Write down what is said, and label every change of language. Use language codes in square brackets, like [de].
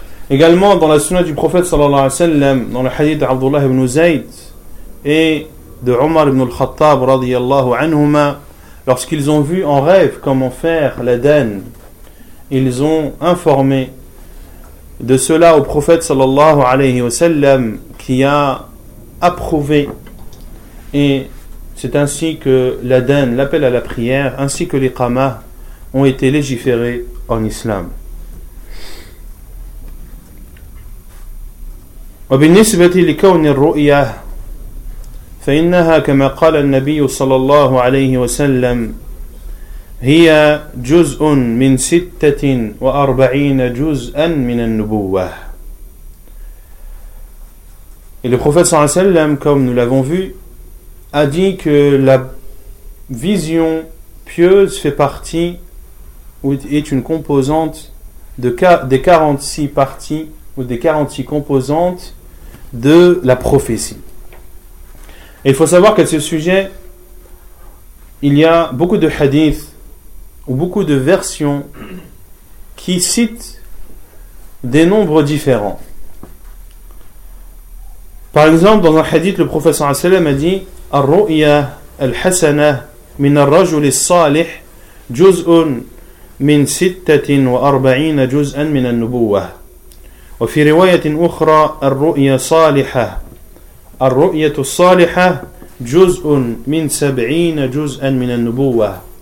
[fr] Également, dans la sunna du prophète sallallahu alayhi wa sallam, dans le hadith d'Abdullah ibn Zayd et de Omar ibn al-Khattab radiyallahu anhuma, lorsqu'ils ont vu en rêve comment faire la den, ils ont informé de cela au prophète sallallahu alayhi wa sallam, qui a approuvé. Et c'est ainsi que l'adhan, l'appel à la prière, ainsi que l'iqama ont été légiférés en islam. [ar] وبالنسبة لكون الرؤيا فإنها كما قال النبي صلى الله عليه وسلم هي جزء من 46 جزءا من النبوة. [fr] Et le prophète صلى الله عليه وسلم, comme nous l'avons vu, a dit que la vision pieuse fait partie ou est une composante des 46 parties ou des 46 composantes de la prophétie. Et il faut savoir qu'à ce sujet, il y a beaucoup de hadiths ou beaucoup de versions qui citent des nombres différents. Par exemple, dans un hadith, le prophète صلى الله عليه وسلم a dit: [ar] الرؤيا الحسنة من الرجل الصالح جزء من 46 جزءا من النبوة. وفي رواية أخرى الرؤيا صالحة, الرؤية الصالحة جزء من 70 جزءا من النبوة.